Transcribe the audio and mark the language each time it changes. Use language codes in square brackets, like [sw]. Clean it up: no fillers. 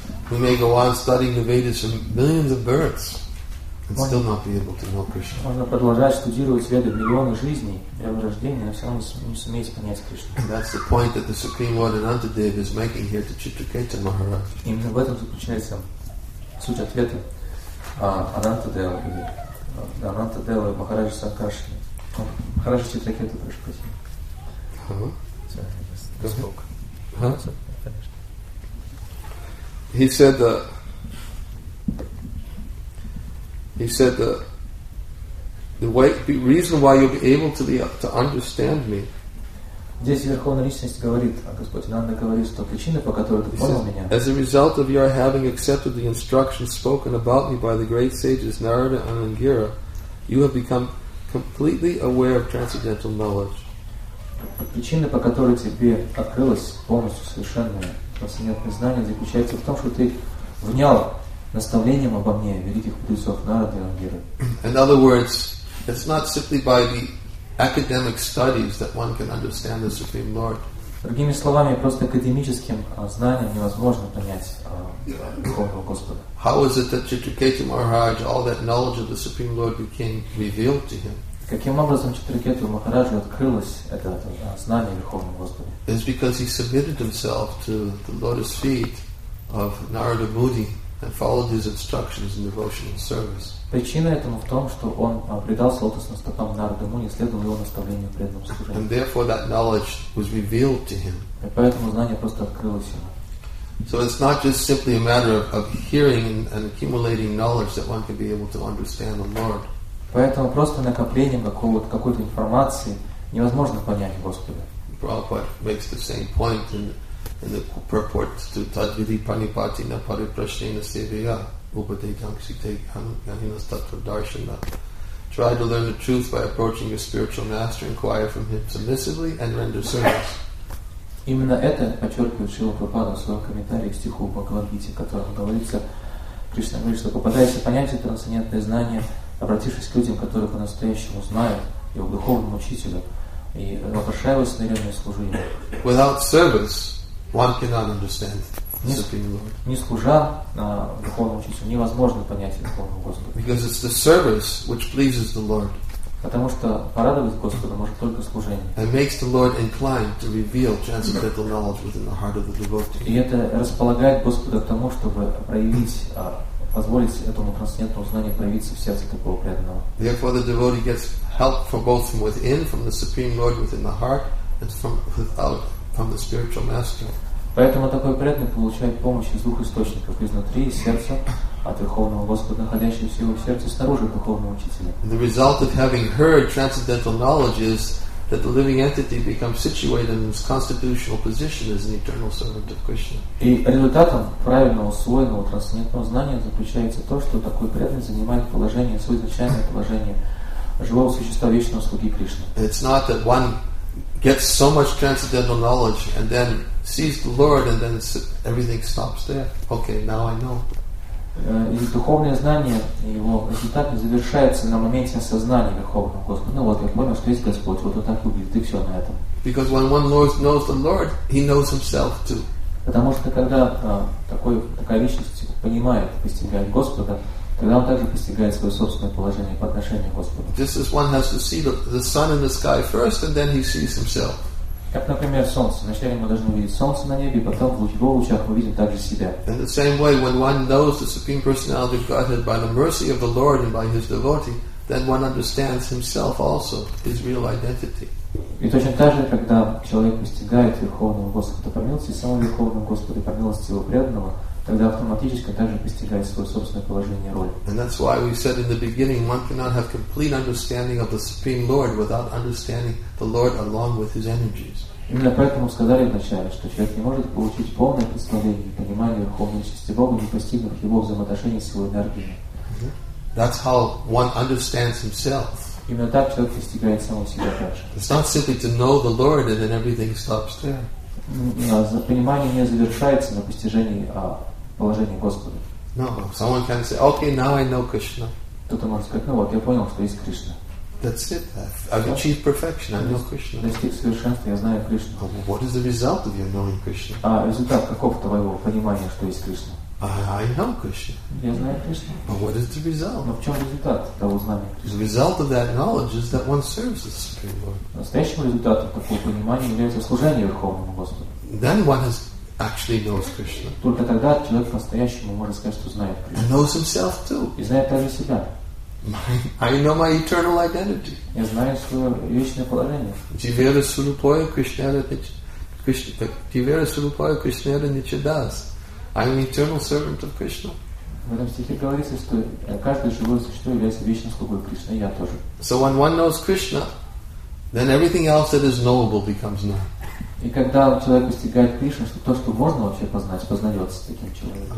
[en] We may go on studying the Vedas from millions of births and still not be able to know Krishna. [ru] Можно продолжать студировать Веды миллионы жизней, миллионы рождений, но все равно не сумеете понять Кришну. [en] That's the point that the Supreme Lord Anantadeva is making here to Chitraketa Maharaj. [ru] Именно в этом заключается суть ответа Анантадевы и Махараджа Сакаши. Махараджа Читракету, прошу прощения. [en] He said the reason why you'll be able to be to understand me. [ru] Здесь Верховная Личность говорит, а Господь Ананда говорит, что причина, по которой ты понял меня. [en] As a result of your having accepted the instructions spoken about me by the great sages Narada and Angira, You have become completely aware of transcendental knowledge. [ru] Причина, по которой тебе открылось полностью совершенное трансцендентное знание, заключается в том, что ты внял наставлением обо мне великих мудрецов Нарады и Ангиры. [en] In other words, it's not simply by the academic studies that one can understand the Supreme Lord. [ru] Другими словами, просто академическим знанием невозможно понять Духовного Господа. [en] How is it that Chitraketu Maharaj, all that knowledge of the Supreme Lord became revealed to him? [ru] Каким образом Читракету Махараджу открылось это знание Верховного Господа? [en] It's because he submitted himself to the lotus feet of Narada Muni and followed his instructions in devotional service. [ru] Причина этому в том, что он предался лотосным стопам Нарада Муни, следовал его наставлению в преданном служении. [en] And therefore that knowledge was revealed to him. [ru] И поэтому знание просто открылось ему. [en] So it's not just simply a matter of hearing and accumulating knowledge that one can be able to understand the Lord. [ru] Поэтому просто накоплением какой-то информации невозможно понять Господа. [en] Prabhupada makes the same point in the purport to [sa] Tadvidhi Panipati na Pariprasthena Sevaya Upadekam Sikte Ganinas Tattva Darshana. [en] Try to learn the truth by approaching your spiritual master, inquire from him submissively and render service. [ru] Именно это подчеркивает Шрила Прабхупада в своем комментарии к стиху Бхагавад-гите, в котором говорится, Кришна говорит, что попадается понятие трансцендентное знание, обратившись к людям, которые по-настоящему знают его духовному учителю, и обращая его смиренное служение. [en] Without service, one cannot understand the Supreme Lord. [ru] Не служа духовному учителю, невозможно понять духовного Господа. [en] Because it's the service which pleases the Lord. [ru] Потому что порадовать Господа может только служение. [en] And makes the Lord inclined to reveal transcendental knowledge within the heart of the devotee. [ru] И это располагает Господа к тому, чтобы проявить. Позволить этому трансцендентному знанию проявиться в сердце такого преданного. [en] Therefore, the devotee gets help from both from within, from the Supreme Lord within the heart, and from without, from the spiritual master. [ru] Поэтому такой преданный получает помощь из двух источников: изнутри, из сердца, от Верховного Господа, находящегося в его сердце, снаружи, духовного учителя. [en] And the result of having heard transcendental knowledge is that the living entity becomes situated in its constitutional position as an eternal servant of Krishna. [ru] И результатом правильно усвоенного трансцендентного знания заключается то, что такой преданный занимает положение, свое изначальное положение живого существа, вечного слуги Кришны. [en] It's not that one gets so much transcendental knowledge and then sees the Lord and then everything stops there. Okay, now I know. [ru] И духовное знание, его результат не завершается на моменте осознания Верховного Господа. Ну вот, я понял, что есть Господь, вот он так выглядит, и все на этом. [en] Because when one knows the Lord, he knows himself too. [ru] Потому что когда такая личность понимает, постигает Господа, тогда он также постигает свое собственное положение по отношению к Господу. [en] Just as one has to see the sun in the sky first, and then he sees himself. [ru] Как, например, солнце. Вначале мы должны увидеть солнце на небе, потом в его лучах мы видим также себя. [en] In the same way, when one knows the Supreme Personality of Godhead by the mercy of the Lord and by His devotee, then one understands himself also, his real identity. [ru] И точно так же, когда человек постигает Верховного Господа по милости, самого Верховного Господа по милости его преданного, тогда автоматически также постигает свое собственное положение и роль. [en] And that's why we said in the beginning, one cannot have complete understanding of the Supreme Lord without understanding the Lord along with His energies. [ru] Именно поэтому сказали вначале, что человек не может получить полное представление и понимание Верховной Личности Бога, не постигнув Его взаимоотношения с Его энергией. [en] That's how one understands himself. [ru] Именно так человек постигает самого себя также. [en] It's not simply to know the Lord and then everything stops there. [ru] Понимание не завершается на постижении положения Господа. [en] No, someone can say, okay, now I know Krishna. [ru] Кто-то может сказать, ну вот, я понял, что есть Кришна. [en] That's it. I've achieved perfection. I know Krishna. [ru] Достиг совершенства, я знаю Кришну. [en] What is the result of your knowing Krishna? [ru] Результат каков твоего понимания, что есть Кришна? [en] I know Krishna. [ru] Я знаю Кришну. [en] But what is the result? [ru] Но в чем результат того знания Кришны? [en] The result of that knowledge is that one serves the Supreme Lord. [ru] Настоящим результатом такого понимания является служение Верховному Господу. [en] Then one has actually knows Krishna. [ru] Только тогда человек по-настоящему может сказать, что знает Кришну. [en] And knows himself too. [ru] И знает также себя. [en] I know my eternal identity. [ru] Я знаю свое вечное положение. [sa] Jivera Surupaya Krishna Krishna Jivera Surupaya Krishna Nichadas. [en] I am eternal servant of Krishna. [ru] В этом стихе говорится, что каждое живое существо является вечным слугой Кришны, и я тоже. [en] So when one knows Krishna, then everything else that is knowable becomes known. [ru] И когда человек постигает Кришну, что то, что можно вообще познать, познается таким человеком.